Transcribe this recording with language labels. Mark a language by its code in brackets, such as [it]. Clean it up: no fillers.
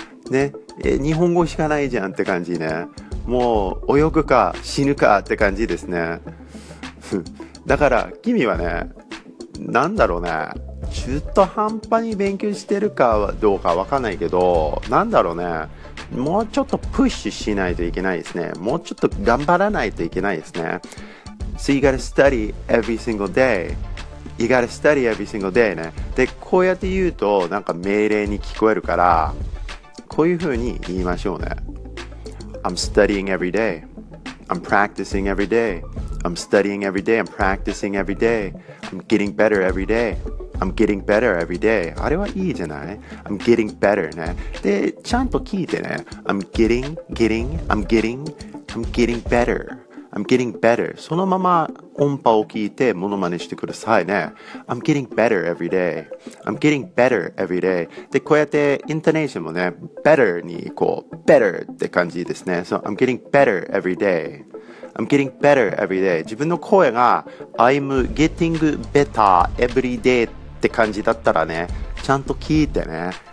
[ja] ね、日本語しかないじゃんって感じね。もう泳ぐか死ぬかって感じですね。だから君はね、なんだろうね、中途半端に勉強してるかどうかわかんないけど、なんだろうね、もうちょっとプッシュしないといけないですね。もうちょっと頑張らないといけないですね。 [en] So you gotta study every single day. You gotta study every single day ね。 [ja] でこうやって言うとなんか命令に聞こえるから、こういう風に言いましょうね。 [en] I'm studying every day. I'm practicing every day. I'm studying every day. I'm practicing every day. I'm getting better every day. I'm getting better every day. [ja] あれはいいじゃない？ [en] I'm getting better [ja] ね。で、ちゃんと聞いてね。 [en] I'm getting better. I'm getting better. [ja] そのまま音波を聞いてモノマネしてくださいね。 [en] I'm getting better every day. I'm getting better every day. [ja] で、こうやってイントネーションもね、 better にこう better って感じですね。 [en] So I'm getting better every day. I'm getting better every day. [ja] 自分の声が [en] I'm getting better every day [ja] って感じだったらね、ちゃんと聞いてね。